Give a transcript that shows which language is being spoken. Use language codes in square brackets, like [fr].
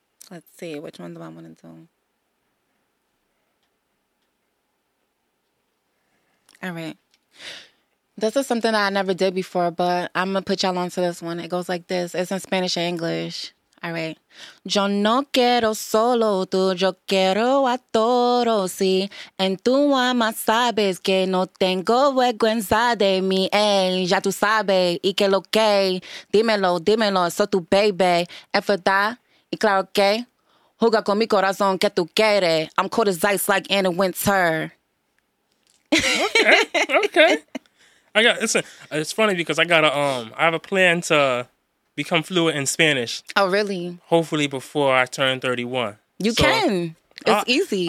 [en] Let's see, which one do I want to do? All right. This is something that I never did before, but I'm going to put y'all onto this one. It goes like this. It's in Spanish and English. All right. [es] Yo no quiero solo tú, yo quiero a todos, sí. En tu alma sabes que no tengo vergüenza de mí. Ey, ya tú sabes, y que lo que, dímelo, dímelo, soy tu baby. Es verdad, y claro que, juega con mi corazón que tú quieres. [en] I'm cold as ice like in the winter. Okay. It's funny because I have a plan to become fluent in Spanish. Oh, really? Hopefully before I turn 31. You so can. It's easy.